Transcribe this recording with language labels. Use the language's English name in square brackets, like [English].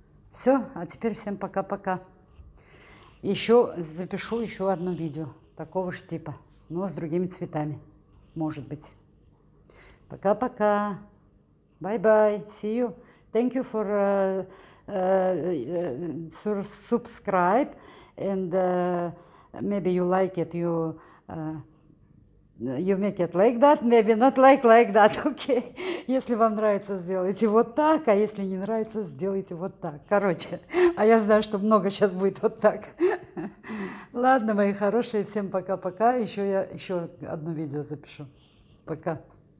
[Russian] Все, а теперь всем пока-пока. Еще запишу еще одно видео такого же типа, но с другими цветами, может быть. Пока-пока. [English] Bye-bye. See you. Thank you for subscribe and maybe you like it. You make it like that, maybe not like that. Okay. [Russian] Если вам нравится, сделайте вот так, а если не нравится, сделайте вот так. Короче, а я знаю, что много сейчас будет вот так. Ладно, мои хорошие, всем пока-пока. Еще я еще одно видео запишу. Пока.